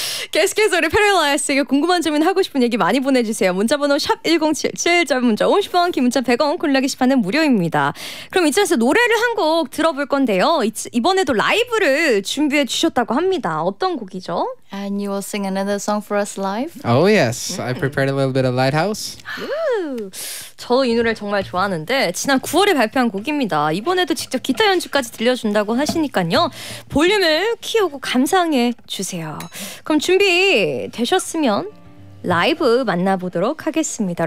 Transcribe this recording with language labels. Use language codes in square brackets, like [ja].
[ko] 계속해서 우리 페럴라이스에게 궁금한 점이나 하고 싶은 얘기 많이 보내주세요. 문자번호 샵 1077, 짧은 문자 50원, 긴 문자 100원, 콜라 게시판은 무료입니다. 그럼 이쯤에서 노래를 한 곡 들어볼 건데요. 이번에도 라이브를 준비해 주셨다고 합니다. 어떤 곡이죠? [en] And you will sing another song for us live? Oh yes, I prepared a little bit of Lighthouse. [ko] 저도 이 노래 정말 좋아하는데 지난 9월에 발표한 곡입니다. 이번에도 직접 기타 연주까지 들려준다고 하시니까요. 볼륨을 키우고 감상해 주세요. 그럼 준비되셨으면 라이브 만나보도록 하겠습니다.